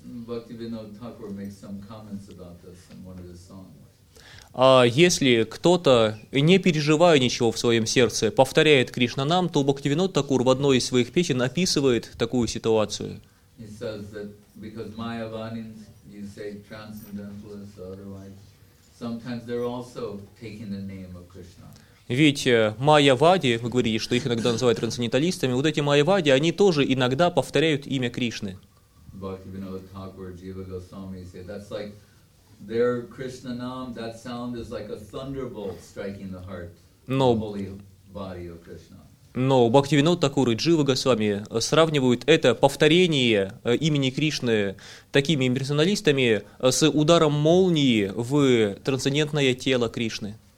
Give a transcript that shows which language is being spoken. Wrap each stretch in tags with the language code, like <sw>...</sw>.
<en>Bhaktivinoda Thakur makes some comments about this in one of his songs.</en> <ru>А если кто-то, не переживая ничего в своем сердце, повторяет Кришна нам, то Бхактивинода Такур в одной из своих песен описывает такую ситуацию.</ru> <en>He says that because Mayavadins, you say transcendentalists or otherwise, sometimes they're also taking the name of Krishna.</en> <ru>Ведь Майявади, вы говорите, что их иногда называют трансценденталистами, вот эти Майявади, они тоже иногда повторяют имя Кришны.</ru> <en>Bhaktivinoda Thakur, Jiva Goswami, say that's like their Krishna nam, that sound is like a thunderbolt striking the heart, the holy body of Krishna.</en> <ru>Но Бхактивинод Такур и Джива Госвами сравнивают это повторение имени Кришны такими имперсоналистами с ударом молнии в трансцендентное тело Кришны.</ru>